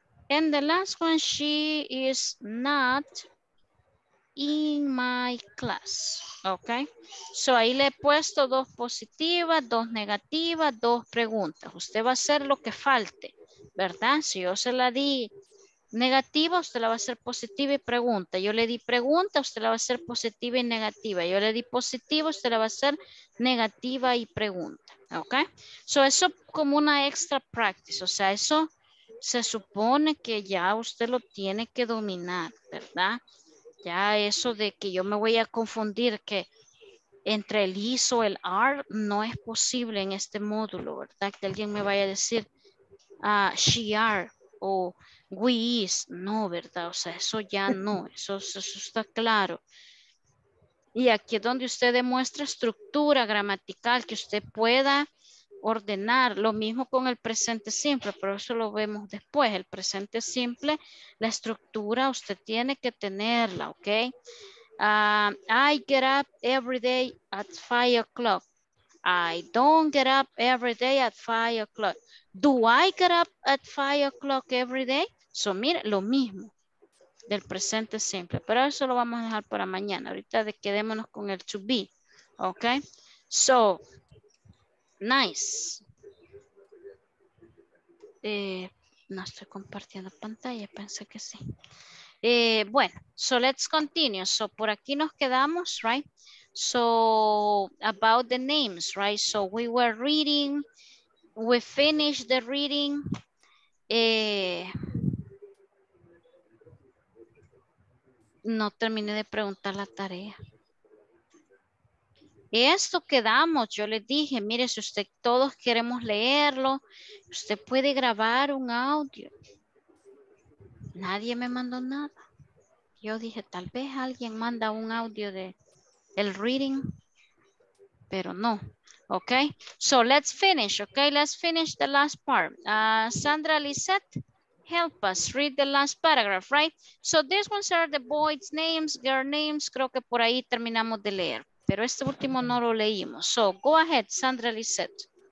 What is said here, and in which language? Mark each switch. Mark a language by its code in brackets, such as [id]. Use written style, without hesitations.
[en] And the last one, she is not in my class. Okay. [es] So ahí le he puesto dos positivas, dos negativas, dos preguntas. Usted va a hacer lo que falte, ¿verdad? Si yo se la di negativa, usted la va a hacer positiva y pregunta. Yo le di pregunta, usted la va a hacer positiva y negativa. Yo le di positiva, usted la va a hacer negativa y pregunta. Ok. So eso como una [en] extra practice. [es] O sea, eso se supone que ya usted lo tiene que dominar, ¿verdad? Ya eso de que yo me voy a confundir que entre el is o el are no es posible en este módulo, ¿verdad? Que alguien me vaya a decir [en] she are [es] o [en] we is, [es] no, ¿verdad? O sea, eso ya no, eso está claro. Y aquí es donde usted demuestra estructura gramatical, que usted pueda ordenar, lo mismo con el presente simple, pero eso lo vemos después. El presente simple, la estructura usted tiene que tenerla, ¿ok? [en] I get up every day at 5 o'clock. I don't get up every day at 5 o'clock. Do I get up at 5 o'clock every day? [es] So, mire, lo mismo del presente simple, pero eso lo vamos a dejar para mañana. Ahorita quedémonos con el to be, ¿ok? [en] So, nice. [es] No estoy compartiendo pantalla, pensé que sí. Bueno, [en] so let's continue. So [es] por aquí nos quedamos, [en] right? So about the names, right? So we were reading, we finished the reading. [es] No terminé de preguntar la tarea. Esto quedamos, yo les dije, mire, si usted todos queremos leerlo, usted puede grabar un audio. Nadie me mandó nada. Yo dije, tal vez alguien manda un audio de el reading, pero no. [en] Ok, so let's finish, ok, let's finish the last part. Sandra Lisette, help us read the last paragraph, right? So these ones are the boys' names, girl names, [es] creo que por ahí terminamos de leer. Pero este último no lo leímos. [en] So, go ahead, [es] Sandra Lisette.